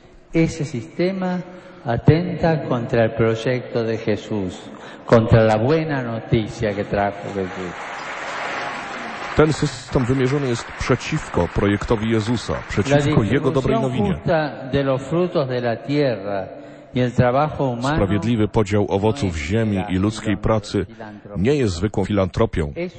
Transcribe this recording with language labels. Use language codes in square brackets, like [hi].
[es] Ese sistema atenta contra el proyecto de Jesús, contra la buena noticia que trajo Jesús. [pl] Ten system wymierzony jest przeciwko projektowi Jezusa, przeciwko jego dobrej nowinie. [es] De los frutos de la tierra [pl] Sprawiedliwy podział owoców ziemi i ludzkiej pracy nie jest zwykłą filantropią.